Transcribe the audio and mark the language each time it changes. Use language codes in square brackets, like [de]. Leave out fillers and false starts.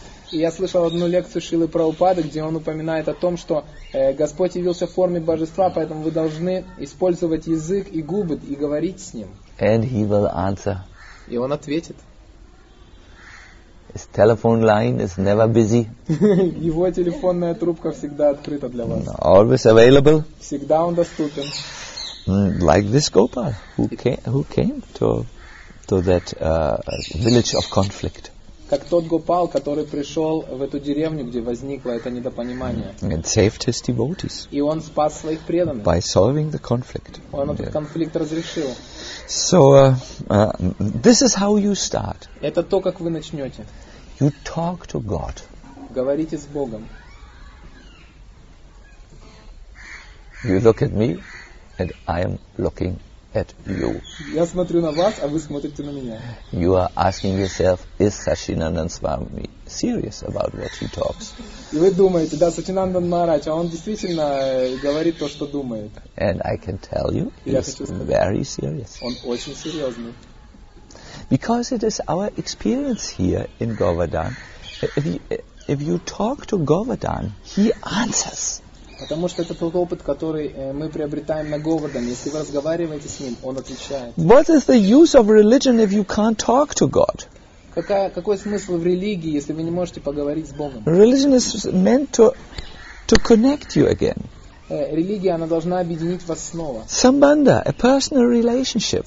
[ru] Я слышал одну лекцию Шрилы Прабхупады, где он упоминает о том, что Господь явился в форме божества, поэтому вы должны использовать язык и губы и говорить с ним. [en] And he will answer. [ru] И он ответит. [en] His telephone line is never busy. [ru] Его телефонная трубка всегда открыта для вас. [en] Always available. [ru] Всегда он доступен. [en] Like this Gopal, who came to that village of conflict. [ru] Как тот Гопал, который пришел в эту деревню, где возникло это недопонимание. [en] And saved his devotees. [ru] И он спас своих преданных. [en] By solving the conflict. [ru] Он этот конфликт разрешил. [en] So this is how you start. [ru] Это то, как вы начнете. [en] You talk to God. [ru] Говорите с Богом. [en] You look at me, and I am looking at you. [ru] Я смотрю на вас, а вы смотрите на меня. [en] You are asking yourself, is Sachinandan Swami serious about what he talks? [ru] И вы думаете, да, Сачинандан Махарадж, а он действительно говорит то, что думает. [en] And I can tell you, he's very serious. [ru] Он очень серьезный. [en] Because it is our experience here in Govardhan, if you talk to Govardhan, he answers. [ru] Потому что это тот опыт, который мы приобретаем на Говардане. Если вы разговариваете с ним, он отвечает. [en] What is the use of religion if you can't talk to God? [ru] Какой смысл в религии, если вы не можете поговорить с Богом? [en] Religion is meant to connect you again. [ru] Религия, она должна объединить вас снова. [en] Sambandha, a personal relationship.